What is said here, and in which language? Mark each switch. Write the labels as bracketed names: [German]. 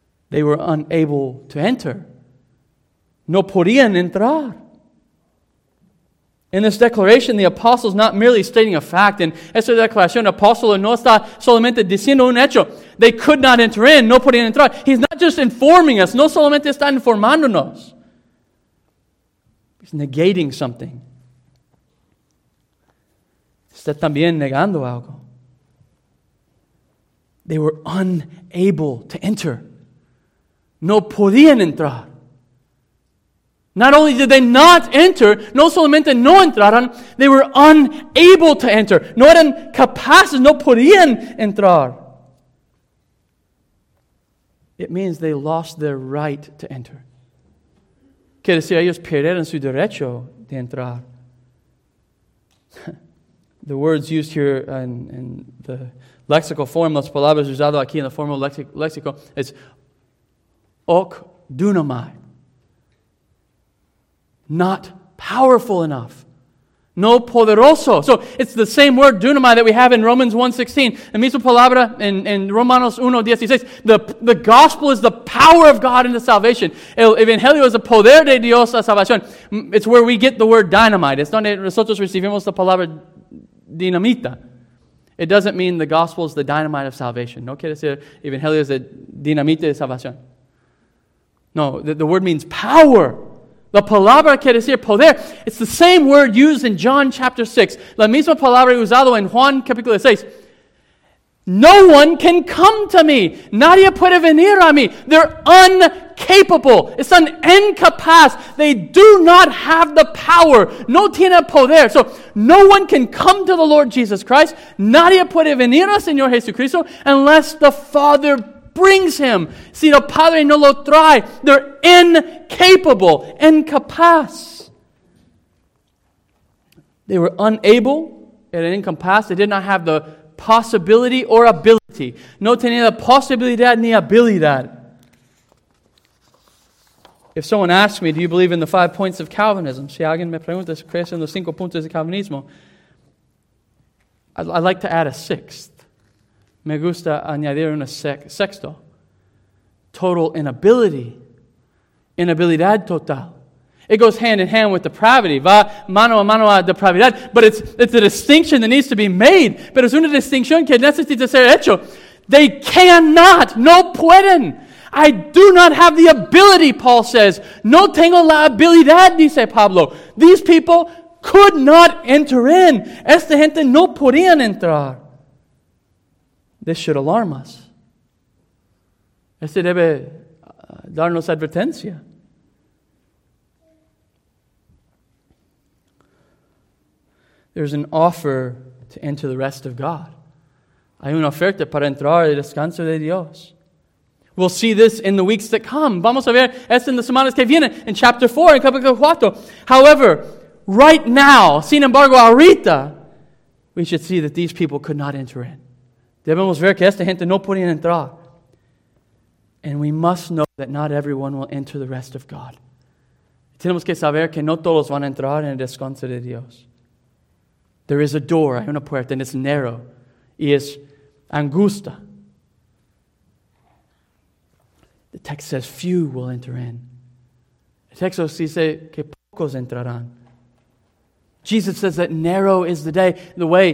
[English] They were unable to enter. [Spanish] No podían entrar. [English] In this declaration, the apostle is not merely stating a fact. [Spanish] En esta declaración, el apóstol no está solamente diciendo un hecho. [English] They could not enter in. [Spanish] No podían entrar. [English] He's not just informing us. [Spanish] No solamente está informándonos. [English] He's negating something. [Spanish] Está también negando algo. [English] They were unable to enter. [Spanish] No podían entrar. [English] Not only did they not enter, [Spanish] no solamente no entraron, [English] they were unable to enter. [Spanish] No eran capaces, no podían entrar. [English] It means they lost their right to enter. [Spanish] Quiere decir, ellos perdieron su derecho de entrar. [English] The words used here in the lexical form, [Spanish] las palabras usadas aquí en la forma lexical, es ok [English] dunamai. Not powerful enough. [Spanish] No poderoso. [English] So it's the same word, dunamai, that we have in Romans 1:16. [Spanish] La misma palabra in Romanos 1:16. [English] The gospel is the power of God into salvation. [Spanish] El evangelio es el poder de Dios a salvación. [English] It's where we get the word dynamite. [Spanish] It's donde nosotros recibimos la palabra dinamita. [English] It doesn't mean the gospel is the dynamite of salvation. [Spanish] No quiere decir evangelio es el dinamita de salvación. [English] No, the word means power. [Spanish] La palabra quiere decir poder. [English] It's the same word used in John chapter 6. [Spanish] La misma palabra usado en Juan capítulo 6. [English] No one can come to me. [Spanish] Nadie puede venir a mí. [English] They're incapable. It's an incapaz. They do not have the power. [Spanish] No tiene poder. [English] So no one can come to the Lord Jesus Christ. [Spanish] Nadie puede venir al Señor Jesucristo [English] unless the Father brings him. [Spanish] Si el Padre no lo trae, [English] they're incapable, [Spanish] incapaz. [English] They were unable and incapaz. They did not have the possibility or ability. [Spanish] No tenía la posibilidad ni habilidad. [English] If someone asks me, do you believe in the 5 points of Calvinism? [Spanish] Si alguien me pregunta, ¿crees en los 5 puntos de Calvinismo? [English] I'd like to add a sixth. [Spanish] Me gusta añadir un sexto. [English] Total inability. [Spanish] Inabilidad total. [English] It goes hand in hand with depravity. [Spanish] Va mano a mano a depravidad. [English] But it's a distinction that needs to be made. [Spanish] Pero es una distinción que necesita ser hecho. [English] They cannot. [Spanish] No pueden. [English] I do not have the ability, Paul says. [Spanish] No tengo la habilidad, dice Pablo. [English] These people could not enter in. [Spanish] Esta gente no podían entrar. [English] This should alarm us. [Spanish] Este debe darnos advertencia. [English] There's an offer to enter the rest of God. [Spanish] Hay una oferta para entrar al descanso de Dios. [English] We'll see this in the weeks that come. [Spanish] Vamos a ver esto en las semanas que vienen, [English] in chapter 4, [Spanish] in capítulo 4. [English] However, right now, [Spanish] sin embargo, ahorita, [English] we should see that these people could not enter in. [Spanish] Debemos ver que esta gente no podía entrar. [English] And we must know that not everyone will enter the rest of God. [Spanish] Tenemos que saber que no todos van a entrar en el descanso de Dios. [English] There is a door, [Spanish] hay una puerta, [English] and it's narrow. [Spanish] Y es angusta. [English] The text says few will enter in. El texto dice que pocos entrarán. Jesus says that narrow is the way.